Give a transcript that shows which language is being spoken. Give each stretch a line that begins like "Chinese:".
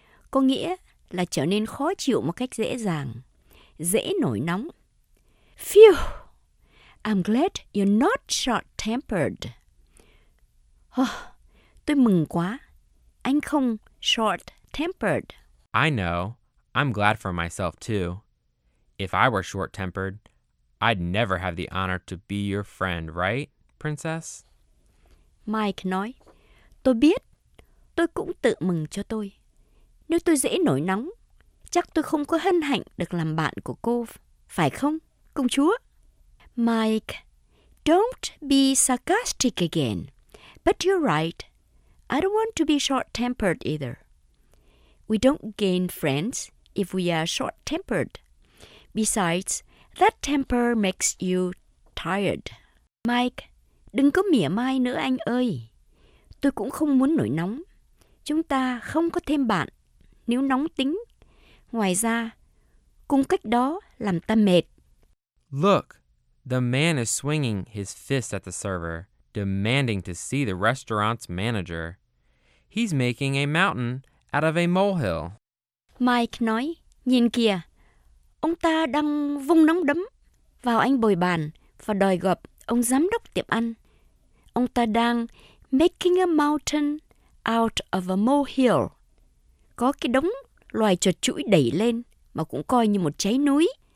Vietnamese: Có nghĩa là trở nên khó chịu một cách dễ dàng. Dễ nổi nóng. Phew!
English: I'm glad you're not short-tempered.
Vietnamese: Oh, tôi mừng quá. Anh không short-tempered.
English: I know. I'm glad for myself, too. If I were short-tempered, I'd never have the honor to be your friend, right, princess?
Vietnamese: Mike nói, tôi biết, tôi cũng tự mừng cho tôi. Nếu tôi dễ nổi nóng, chắc tôi không có hân hạnh được làm bạn của cô, phải không, công chúa?
English: Mike, don't be sarcastic again. But you're right, I don't want to be short-tempered either. We don't gain friends if we are short-tempered. Besides, that temper makes you tired.
Vietnamese: Mike, đừng có mỉa mai nữa anh ơi. Tôi cũng không muốn nổi nóng. Chúng ta không có thêm bạn nếu nóng tính. Ngoài ra, cùng cách đó làm ta mệt.
English: Look, the man is swinging his fist at the server, demanding to see the restaurant's manager. He's making a mountain out of a molehill.
Vietnamese: Mike nói, nhìn kìa. Ông ta đang vung nắm đấm vào anh bồi bàn và đòi gặp ông giám đốc tiệm ăn. Ông ta đang
English: making a mountain out of a molehill.
Vietnamese: Có cái đống loài chuột chũi đẩy lên mà cũng coi như một trái núi.